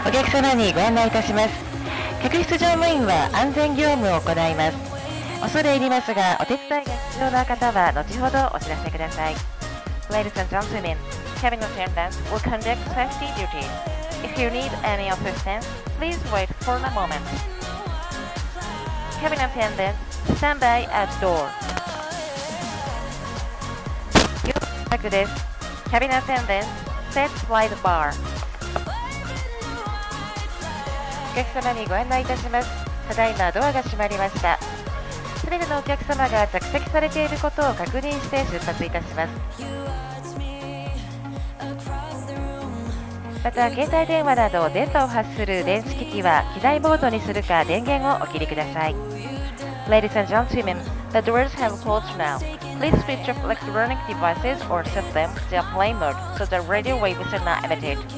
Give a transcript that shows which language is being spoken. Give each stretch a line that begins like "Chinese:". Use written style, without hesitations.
Japanese: 様にご案内いたします。客室乗務員は安全業務を行います。恐れ入りますがお手伝いが必要な方は後ほどお知らせください。
English: Ladies and gentlemen, cabin attendants will conduct safety duties. If you need any assistance, please wait for a moment. Cabin attendants, stand by at door. Your track です。Cabin attendants, set slide bar.
Japanese: お客様にご案内いたします。ただいまドアが閉まりました。すべてのお客様が着席されていることを確認して出発いたします。また携帯電話など電波を発する電子機器は機材ボードにするか電源をお切りください。
English: Ladies and gentlemen, the doors have closed now. Please switch off electronic devices or set them to airplane mode so the radio waves are not emitted.